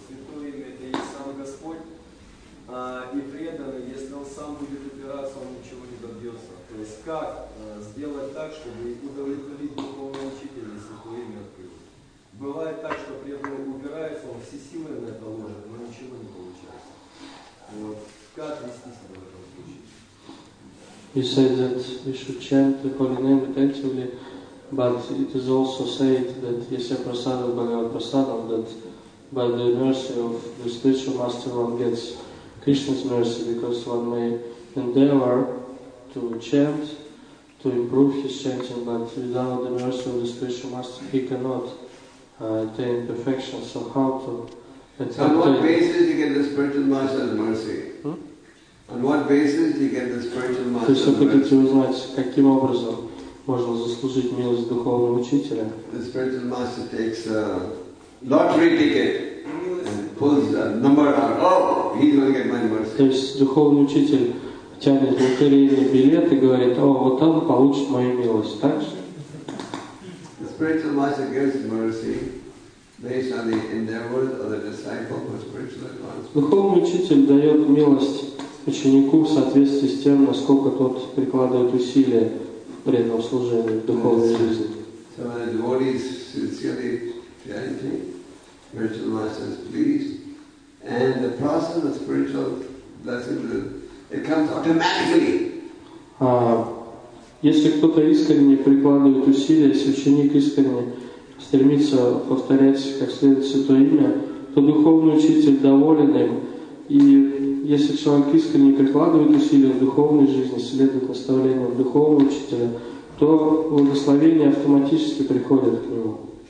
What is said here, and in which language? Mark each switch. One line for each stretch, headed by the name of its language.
Russian: Святое имя — это и сам Господь. И преданный, если он сам будет упираться, он ничего не добьется. То есть как сделать так, чтобы удовлетворить духовного учителя, если то имя открыло? Бывает так, что преданный убирается, он все силы на это ложит, но ничего не получается. Вот. Как вести себя в этом случае?
English: You said that we should chant the holy name attentively, but it is also said that
Sanskrit: Yasya Prasada Bhagavad Prasada,
English: that by the mercy of the spiritual master one gets Krishna's mercy, because one may endeavor to chant, to improve his chanting, but without the mercy of the spiritual master, he cannot attain perfection. So how to attain? On what basis you get the spiritual master's mercy? On what basis you get the spiritual master's mercy?
Russian: То есть вы хотите узнать, каким образом можно заслужить милость духовного учителя?
English: The spiritual master takes a lottery ticket and pulls the number out. Oh, he's going to get my mercy.
Russian: То есть духовный учитель тянет лотерейный билет и говорит: о, вот он получит мою милость, так же?
English: Spiritual master gives mercy based on the endeavors of the disciple for spiritual advancement.
Russian: Духовный учитель дает милость ученику в соответствии с тем, насколько тот прикладывает усилия в преданном служении, в духовной жизни.
English: So when the devotee is sincerely chanting, spiritual master is pleased, and the process of spiritual blessing the it comes automatically.
Russian: Если кто-то искренне прикладывает усилия, если ученик искренне стремится повторять как следует святое имя, то духовный учитель доволен им. И если человек искренне прикладывает усилия в духовной жизни, следует наставлениям духовного учителя, то благословение автоматически приходит к нему.